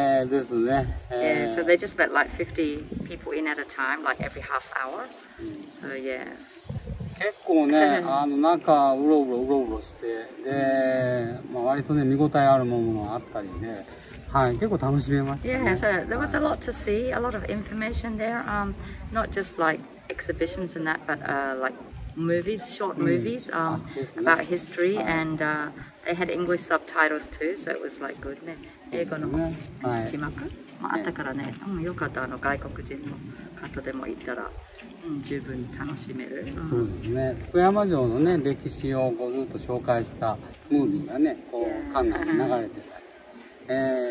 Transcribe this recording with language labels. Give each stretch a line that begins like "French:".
English: So they just let like 50 people in at a time, like every half hour. So yeah.
Japanese: 結構ね、あの中うろうろうろうろして、で、まあ割とね見応えあるものがあったりね、はい、結構楽しめました、ね。
English: Yeah, so there was a lot to see, a lot of information there. Not just like exhibitions and that, but like movies, short movies, about history and they had English subtitles too, so it was like good ね。
Japanese: 英語の字幕、はい、もあったからね、うん、よかった、あの外国人の方でも行ったら。十分楽しめる、うん、そうですね。福山城のね歴史をずっと紹介したムービーがねこう館内に流れてたり、